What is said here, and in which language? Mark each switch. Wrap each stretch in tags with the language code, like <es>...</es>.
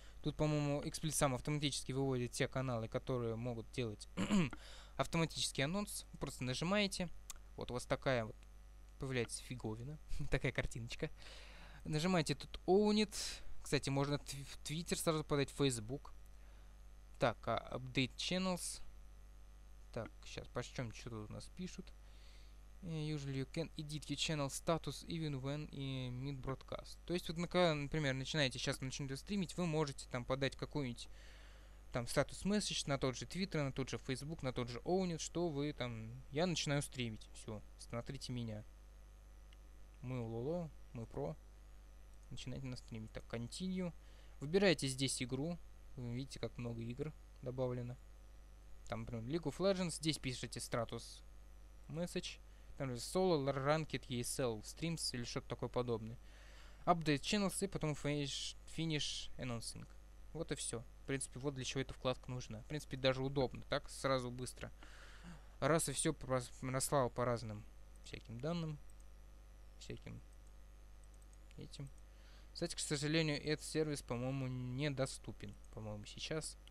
<ru>Тут, по-моему, XSplit сам автоматически выводит те каналы, которые могут делать автоматический анонс. Просто нажимаете, вот у вас такая вот появляется фиговина, такая картиночка. Нажимаете тут Owned. Кстати, можно в Twitter сразу подать, в Facebook. Так, Update Channels. Так, сейчас почтем, что тут у нас пишут.</ru> <en>Usually you can edit your channel status even when in mid-broadcast.</en> <ru>То есть, вот, например, начинаете сейчас начнете стримить, вы можете там подать какой-нибудь там статус-месседж на тот же Twitter, на тот же Facebook, на тот же Owned, что вы там... Я начинаю стримить. Все, смотрите меня. Мы лоло, мы про. Начинайте нас стримить. Так, continue. Выбираете здесь игру. Вы видите, как много игр добавлено. Там, например, League of Legends. Здесь пишите status message. Там же solo, ranked, ESL, streams или что-то такое подобное. Update channels и потом finish announcing. Вот и все. В принципе, вот для чего эта вкладка нужна. В принципе, даже удобно. Так, сразу быстро. Раз и все наслал по разным всяким данным. Всяким этим. Кстати, к сожалению, этот сервис, по-моему, недоступен, по-моему, сейчас.</ru>